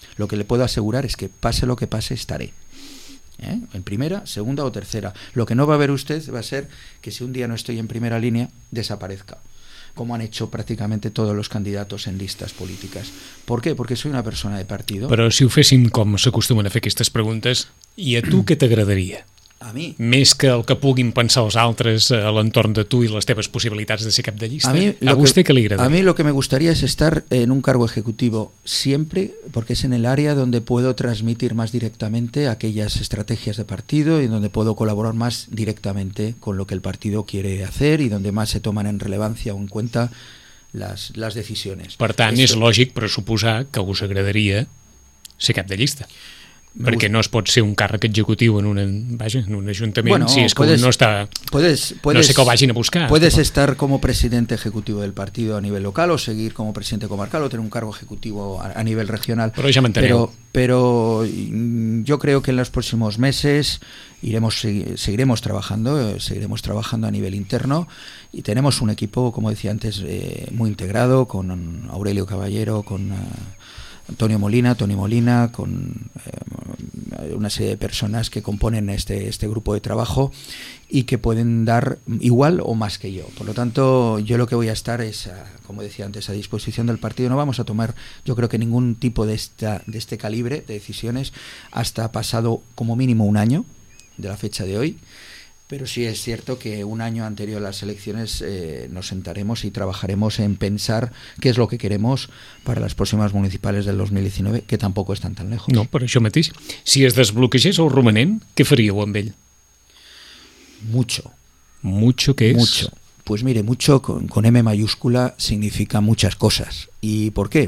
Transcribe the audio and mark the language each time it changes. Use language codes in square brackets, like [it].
[es] Lo que le puedo asegurar es que pase lo que pase estaré. En primera, segunda o tercera. Lo que no va a ver usted va a ser que si un día no estoy en primera línea, desaparezca, como han hecho prácticamente todos los candidatos en listas políticas. ¿Por qué? Porque soy una persona de partido. [ca] Però si ho féssim com s'acostumen a fer aquestes preguntes, i a tu què t'agradaria? A mi? Més que el que puguin pensar els altres a l'entorn de tu i les teves possibilitats de ser cap de llista, a vostè què li agradaria? [es] A mi lo que me gustaría es estar en un cargo ejecutivo siempre, porque es en el área donde puedo transmitir más directamente aquellas estrategias de partido y donde puedo colaborar más directamente con lo que el partido quiere hacer y donde más se toman en relevancia o en cuenta las decisiones. [ca] Per tant, és lògic pressuposar que us agradaria ser cap de llista. Perquè no es pot ser un càrrec executiu en un ajuntament, bueno, si és que [es] puedes, [ca] no està... [es] Puedes, [ca] no sé que ho vagin a buscar. [es] Puedes estar como presidente ejecutivo del partido a nivel local o seguir como presidente comarcal o tener un cargo ejecutivo a nivel regional. [ca] Però ja m'enteneu. [es] Pero yo creo que en los próximos meses seguiremos trabajando a nivel interno, y tenemos un equipo, como decía antes, muy integrado, con Aurelio Caballero, con... Toni Molina, con una serie de personas que componen este grupo de trabajo y que pueden dar igual o más que yo. Por lo tanto, yo lo que voy a estar es, como decía antes, a disposición del partido. No vamos a tomar, yo creo que ningún tipo de este calibre de decisiones hasta pasado como mínimo un año de la fecha de hoy. Pero sí es cierto que un año anterior a las elecciones nos sentaremos y trabajaremos en pensar qué es lo que queremos para las próximas municipales del 2019, que tampoco están tan lejos. [ca] No, per això mateix. Si es desbloquegés el romanent, què faríeu amb ell? [es] Mucho. ¿Mucho qué es? Mucho. Pues mire, mucho con M mayúscula significa muchas cosas. ¿Y por qué?